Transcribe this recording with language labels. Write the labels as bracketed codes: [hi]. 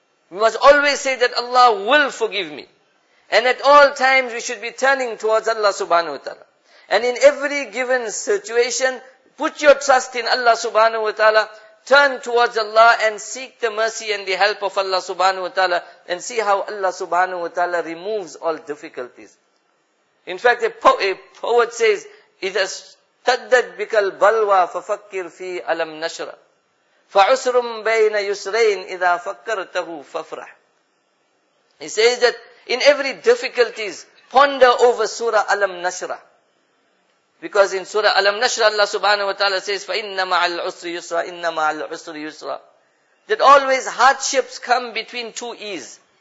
[en] We must always say that Allah will forgive me. And at all times we should be turning towards Allah subhanahu wa ta'ala. And in every given situation, put your trust in Allah subhanahu wa ta'ala. Turn towards Allah and seek the mercy and the help of Allah subhanahu wa ta'ala. And see how Allah subhanahu wa ta'ala removes all difficulties. In fact, a poet says, [ar] إِذَا اشْتَدَّتْ بِكَ الْبَلْوَى فَفَكِّرْ فِي أَلَمْ نَشْرَ فَعُسْرٌ بَيْنَ يُسْرَيْنِ إِذَا فَكَّرْتَهُ فَفْرَحْ. [en] He says that in every difficulties, ponder over Surah Alam Nashra. Because in Surah Alam Nashra, Allah subhanahu wa ta'ala says, [ar] فَإِنَّ مَعَ الْعُسْرِ يُسْرَ [en] إِنَّ مَعَ الْعُسْرِ يُسْرَ. That always hardships come between two E's.